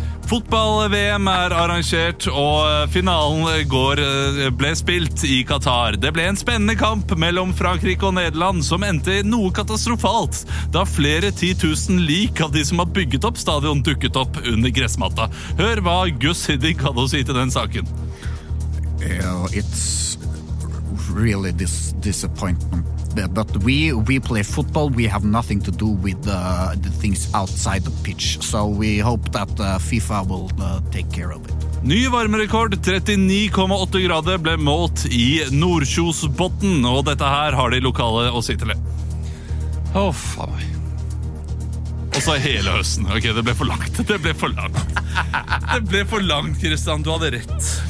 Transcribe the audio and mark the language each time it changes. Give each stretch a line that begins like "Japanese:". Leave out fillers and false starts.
Norwegian: Fotball-VM er arrangert, og finalen ble spilt i Qatar. Det ble en spennende kamp mellom Frankrike og Nederland, som endte i noe katastrofalt, da flere 10.000 lik av de som har bygget opp stadion dukket opp under gressmatta. Hør hva Gus Hiddink hadde å si til den saken.
English: It's really disappointing. But we play football. We have nothing to do with the things outside the pitch. So we hope that FIFA will take care of it.
Norwegian: Ny varmerekord, 39,8 grader, ble målt i Nordkjosbotten. Og dette her har de lokale å si til det. Oh, faen meg. Og så hele høsten. Ok, det ble for langt. Det ble for langt, Kristian. Du hadde rett.